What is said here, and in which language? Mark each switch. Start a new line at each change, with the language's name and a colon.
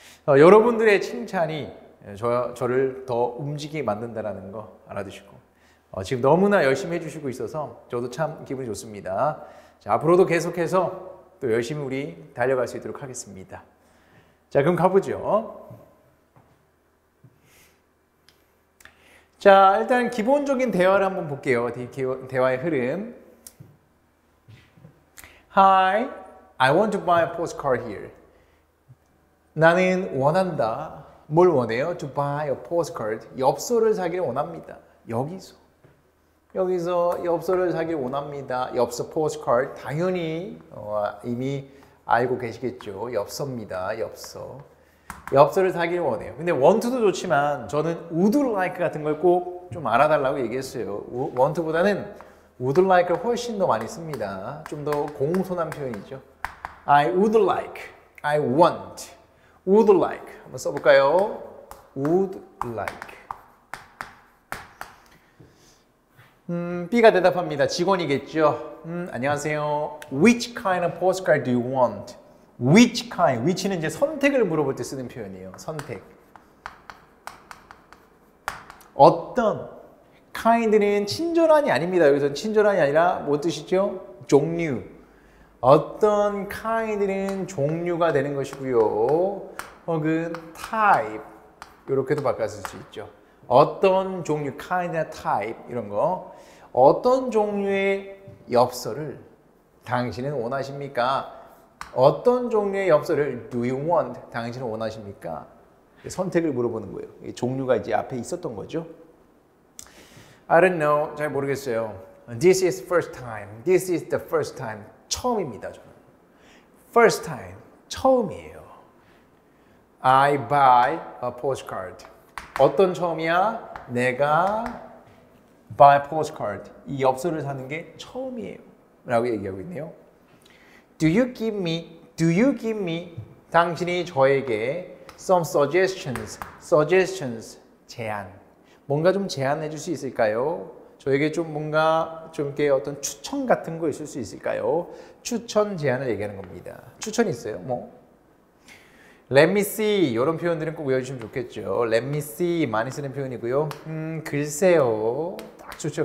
Korean: 여러분들의 칭찬이 저를 더 움직이게 만든다는 거 알아두시고 지금 너무나 열심히 해주시고 있어서 저도 참 기분이 좋습니다. 자, 앞으로도 계속해서 또 열심히 우리 달려갈 수 있도록 하겠습니다. 자, 그럼 가보죠. 자, 일단 기본적인 대화를 한번 볼게요. 대화의 흐름.
English: Hi, I want to buy a postcard here.
Korean: 나는 원한다. 뭘 원해요?
English: To buy a postcard.
Korean: 엽서를 사기를 원합니다. 여기서 엽서를 사기를 원합니다. 엽서 postcard. 당연히 이미 알고 계시겠죠. 엽서입니다. 엽서. 엽서를 사기를 원해요. 근데 want도 좋지만 저는 would like 같은 걸꼭좀 알아달라고 얘기했어요. want보다는 would like을 훨씬 더 많이 씁니다. 좀더 공손한 표현이죠.
English: I would like, I want, would like 한번 써볼까요? would like.
Korean: B가 대답합니다. 직원이겠죠. 안녕하세요.
English: Which kind of postcard do you want? Which kind?
Korean: Which는 이제 선택을 물어볼 때 쓰는 표현이에요. 선택. 어떤? Kind는 친절한이 아닙니다. 여기서는 친절한이 아니라 뭐 뜻이죠? 종류. 어떤 kind는 종류가 되는 것이고요. 혹은 type. 이렇게도 바꿔쓸 수 있죠. 어떤 종류, kind나 type 이런 거. 어떤 종류의 엽서를 당신은 원하십니까? 어떤 종류의 엽서를
English: do you want?
Korean: 당신은 원하십니까? 선택을 물어보는 거예요. 종류가 이제 앞에 있었던 거죠.
English: I don't know.
Korean: 잘 모르겠어요.
English: This is first time. This is the first time.
Korean: 처음입니다, 저는.
English: First time.
Korean: 처음이에요.
English: I buy a postcard.
Korean: 어떤 처음이야? 내가
English: buy a postcard.
Korean: 이 엽서를 사는 게 처음이에요. 라고 얘기하고 있네요.
English: Do you give me,
Korean: 당신이 저에게
English: some suggestions,
Korean: 제안. 뭔가 좀 제안해 줄수 있을까요? 저에게 좀 뭔가, 좀 이렇게 어떤 추천 같은 거 있을 수 있을까요? 추천 제안을 얘기하는 겁니다. 추천 있어요, 뭐.
English: Let me see.
Korean: 이런 표현들은 꼭 외워주시면 좋겠죠.
English: Let me see.
Korean: 많이 쓰는 표현이고요. 글쎄요. 딱 좋죠.